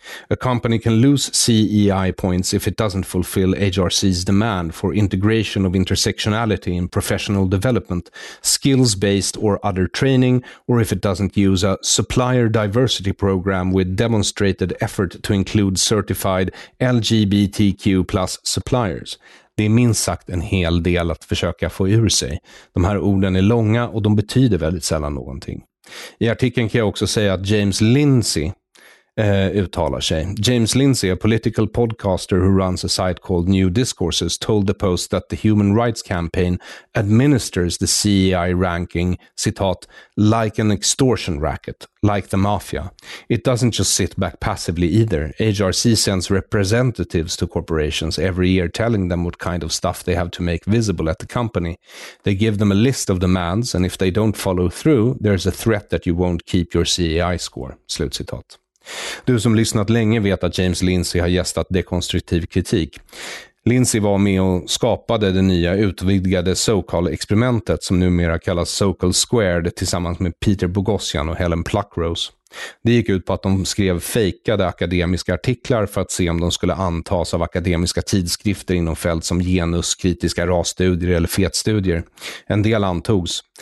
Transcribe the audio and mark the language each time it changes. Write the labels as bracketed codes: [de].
[en] A company can lose CEI points if it doesn't fulfill HRC's demand for integration of intersectionality in professional development, skills-based or other training, or if it doesn't use a supplier diversity program with demonstrated effort to include certified LGBTQ plus suppliers. [sv] Det är minst sagt en hel del att försöka få ur sig. De här orden är långa och de betyder väldigt sällan någonting. I artikeln kan jag också säga att James Lindsay uttalar sig. [en] James Lindsay, a political podcaster who runs a site called New Discourses, told the Post that the Human Rights Campaign administers the CEI ranking, [sv] citat, [en] like an extortion racket, like the mafia. It doesn't just sit back passively either. HRC sends representatives to corporations every year telling them what kind of stuff they have to make visible at the company. They give them a list of demands, and if they don't follow through, there's a threat that you won't keep your CEI score, [sv] slutcitat. Du som lyssnat länge vet att James Lindsay har gästat dekonstruktiv kritik. Lindsay var med och skapade det nya utvidgade SoCal-experimentet som numera kallas SoCal Squared tillsammans med Peter Boghossian och Helen Pluckrose. Det gick ut på att de skrev fejkade akademiska artiklar för att se om de skulle antas av akademiska tidskrifter inom fält som genus, kritiska rasstudier eller fetstudier. En del antogs.